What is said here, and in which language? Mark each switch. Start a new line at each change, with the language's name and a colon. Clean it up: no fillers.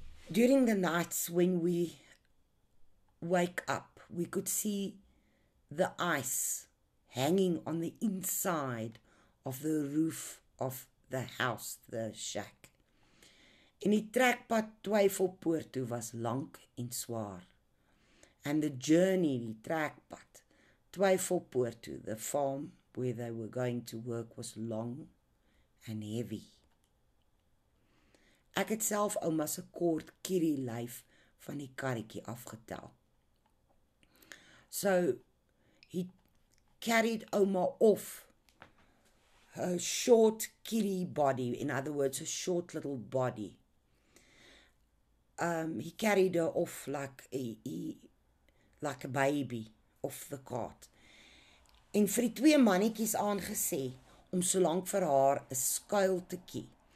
English: During the nights when we wake up, we could see the ice hanging on the inside of the roof of the house, the shack.
Afrikaans: En die trekpad Twyfelpoort toe was lank en swaar.
English: And the journey,
Afrikaans: die trekpad Twyfelpoort toe,
English: the farm where they were going to work, was long and heavy.
Afrikaans: Ek het self ouma se kort kierie lyf van die karretjie afgetel.
English: So, he carried ouma off her short kierie body, in other words, her short little body. He carried her off like a baby off the cart.
Afrikaans: En vir die twee mannetjies aangesê om so lank vir haar 'n skuil te kie.